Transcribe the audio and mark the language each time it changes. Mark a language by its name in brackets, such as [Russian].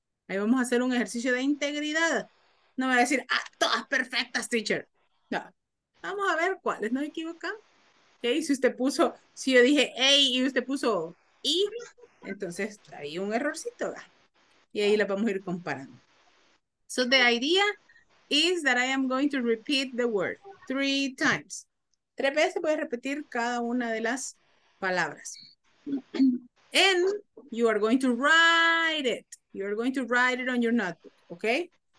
[Spanish] Ahí vamos a hacer un ejercicio de integridad. No me va a decir, ah, todas perfectas, teacher. No. Vamos a ver cuáles nos equivocamos. ¿Okay? Si usted puso, si yo dije, hey, y usted puso, y, entonces hay un errorcito. ¿Va? Y ahí la vamos a ir comparando. [English] So the idea is that I am going to repeat the word 3 times. [Spanish] 3 veces voy a repetir cada una de las palabras. [English] And you are going to write it. You are going to write it on your notebook, okay?